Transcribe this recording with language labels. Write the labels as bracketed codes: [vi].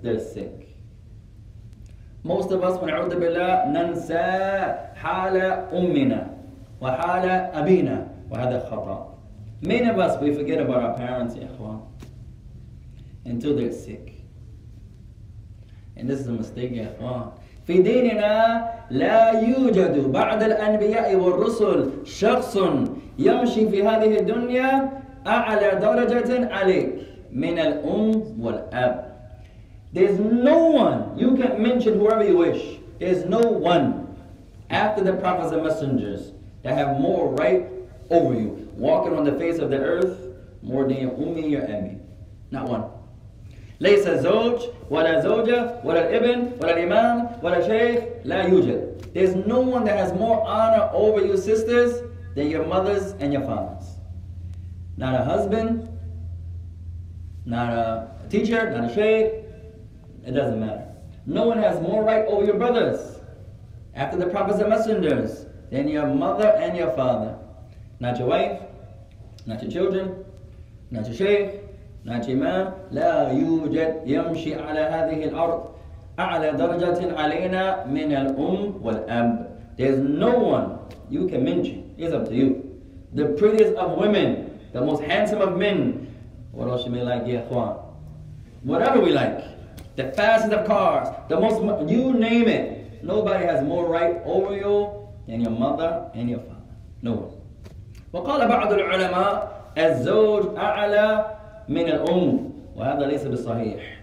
[en] they're sick. Most of us, when [ar] a'udhu billah, nansa hala ummina wa hala abina wa hada khata. [en] Many of us, we forget about our parents, ikhwan, until they're sick. And this is a mistake, ikhwan. [ar] في ديننا لا يوجد بعد الأنبياء والرسل شخص يمشي في هذه الدنيا أعلى درجة عليك من الأم والأب. [en] There's no one, you can mention whoever you wish, there's no one after the prophets and messengers that have more right over you walking on the face of the earth more than your ummi and your abi. Not one. [ar] ليس زوج ولا زوجة ولا الابن ولا الإمام ولا شيخ لا يوجد. [en] There's no one that has more honor over you sisters than your mothers and your fathers. Not a husband, not a teacher, not a sheikh, it doesn't matter. No one has more right over your brothers after the prophets and messengers than your mother and your father. Not your wife, not your children, not your sheikh, not your imam. [ar] لا يوجد يمشي على هذه الأرض أعلى درجة علينا من الأم والأب. [en] There's no one you can mention. It's up to you. The prettiest of women, the most handsome of men. What else you may like, ya ikhwan? Whatever we like. The fastest of cars. The most, you name it. Nobody has more right over you than your mother and your father. No one. [ar] وقال بعض العلماء الزوج أعلى من الأم وهذا ليس بالصحيح.